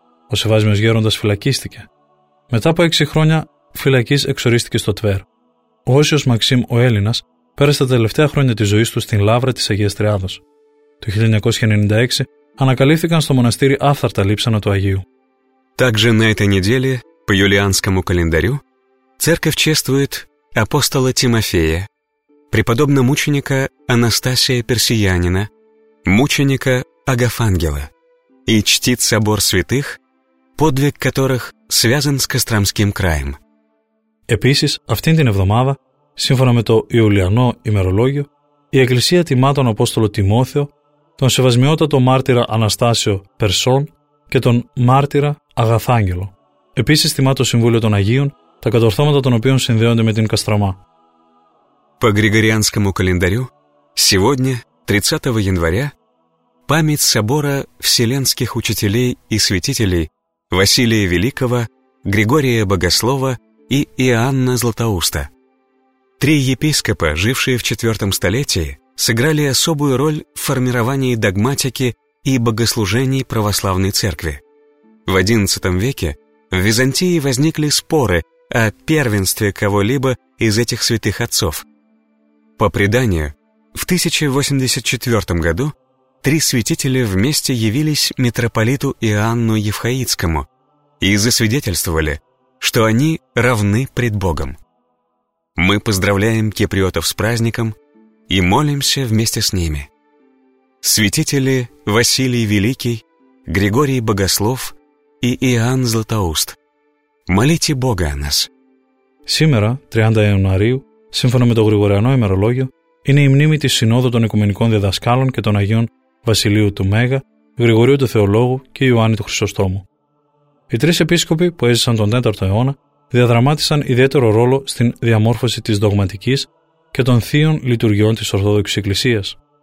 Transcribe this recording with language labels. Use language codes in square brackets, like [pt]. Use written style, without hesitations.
[el] Ο Σεβάσμιος Γέροντας φυλακίστηκε. Μετά από 6 χρόνια φυλακής εξορίστηκε στο Τβέρ. Ο Όσιος Μαξίμ ο Έλληνας πέρασε τα τελευταία χρόνια της ζωής του στην Λαύρα της Αγίας Τριάδος. Το 1996 ανακαλύφθηκαν στο μοναστήρι άφθαρτα λείψανα του Αγίου. [ru] Также на этой неделе по юлианскому календарю церковь чествует апостола Тимофея, преподобного мученика Анастасия Персиянина, мученика Агафангела и чтит собор святых, подвиг которых связан с Костромским краем. [el] Επίσης, αυτήν την εβδομάδα, σύμφωνα με το Ιουλιανό ημερολόγιο, η Εκκλησία τιμά τον Απόστολο Τιμόθεο, τον σεβασμιότατο μάρτυρα Αναστάσιο Περσόν και τον μάρτυρα Αγαθάγγελο. Επίσης τιμά το Συμβούλιο των Αγίων, τα κατορθώματα των οποίων συνδέονται με την Καστρωμά. [ru] По Григорианскому календарю сегодня, 30 января, память собора вселенских учителей и святителей Василия Великого, Григория Богослова и Иоанна Златоуста. Три епископа, жившие в IV столетии, сыграли особую роль в формировании догматики и богослужений православной церкви. В XI веке в Византии возникли споры о первенстве кого-либо из этих святых отцов. По преданию, в 1084 году три святителя вместе явились митрополиту Иоанну Евхаитскому и засвидетельствовали, что они равны пред Богом. Мы поздравляем киприотов с праздником и молимся вместе с ними. Святители Василий Великий, Григорий Богослов и Иоанн Златоуст, молите Бога о нас. Сегодня, 30 января, [el] σύμφωνα με το Γρηγοριανό ημερολόγιο, είναι η μνήμη της Συνόδου των Οικουμενικών Διδασκάλων και των Αγίων Βασιλείου του Μέγα, Γρηγορίου του Θεολόγου και Ιωάννη του Χρυσοστόμου. Οι τρεις επίσκοποι που έζησαν τον 4ο αιώνα διαδραμάτισαν ιδιαίτερο ρόλο στην διαμόρφωση της δογματικής και των θείων λειτουργιών της Ορθόδοξης Εκκλησίας.